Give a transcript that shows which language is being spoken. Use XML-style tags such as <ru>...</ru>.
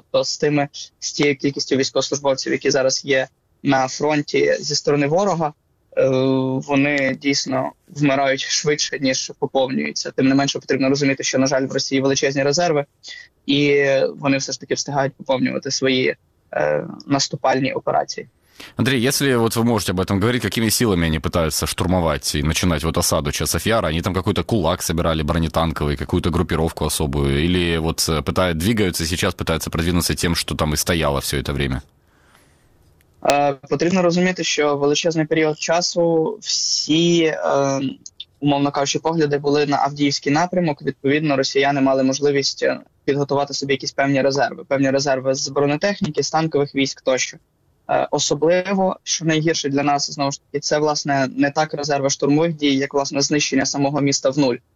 <uk>Тобто з тією кількістю військовослужбовців, які зараз є на фронті зі сторони ворога, вони дійсно вмирають швидше, ніж поповнюються. Тим не менше, потрібно розуміти, що, на жаль, в Росії величезні резерви, і вони все ж таки встигають поповнювати свої наступальні операції. Андрій, якщо ви можете</uk> <ru>об этом</ru> <uk>говорити, якими силами вони намагаються штурмувати і починати вот осаду Часів Яра? Вони</uk> <ru>там какой-то кулак собирали бронетанковий, какую-то групировку особую, или вот двигаються сейчас, пытаются продвинуться тем,</ru> <uk>що там і</uk> <ru>стояло все это время?</ru> <uk>Потрібно розуміти, що величезний період часу всі, умовно кажучи, погляди були на Авдіївський напрямок. Відповідно, росіяни мали можливість підготувати собі якісь певні резерви. Певні резерви з бронетехніки, з танкових військ тощо. Особливо, що найгірше для нас, знову ж таки, це, власне, не так резерви штурмових дій, як, власне, знищення самого міста в нуль.</uk>